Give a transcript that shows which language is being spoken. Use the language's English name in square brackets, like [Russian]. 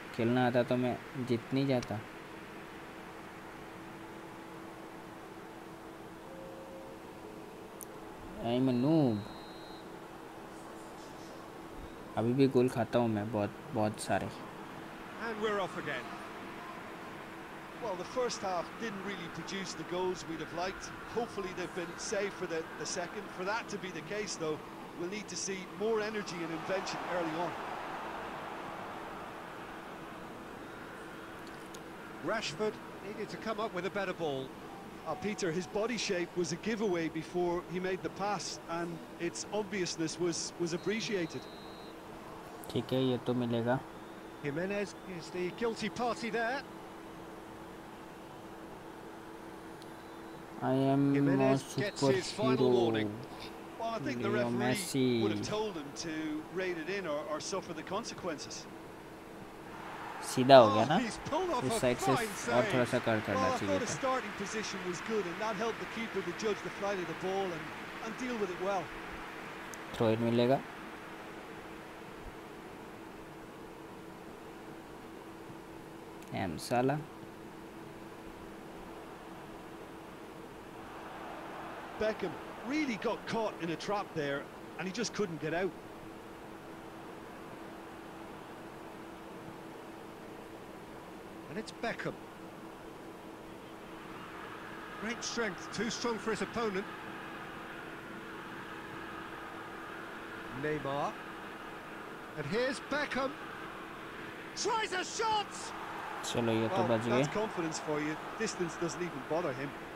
[Hindi] खेलना आता तो मैं जीत नहीं जाता. [English] I am a noob. [Hindi] अभी भी गोल खाता हूँ मैं बहुत बहुत सारे. [English] And we're off again. Well, the first half didn't really produce the goals we'd have liked. Hopefully they've been saved for the second. For that to be the case, though, we'll need to see more energy and invention early on. Rashford needed to come up with a better ball. Oh, Peter, his body shape was a giveaway before he made the pass, and its obviousness was appreciated. Jimenez is the guilty party there. I am Jimenez gets his final warning. Well, I think the referee Messi would have told him to rein it in or suffer the consequences. [Hindi] सीधा हो गया ना उस side से और थोड़ा सा कर करना चाहिए था [English] starting position was good and that helped the keeper to जज the flight of the ball and deal with it well [Hindi] throw in मिलेगा एम साला [English] Beckham really got caught in a trap there and he just couldn't get out It's Beckham. Great strength, too strong for his opponent. Neymar. And here's Beckham. Tries a shot! [Hindi] Chalo, ye to baj gaye. [English] That's confidence for you. Distance doesn't even bother him.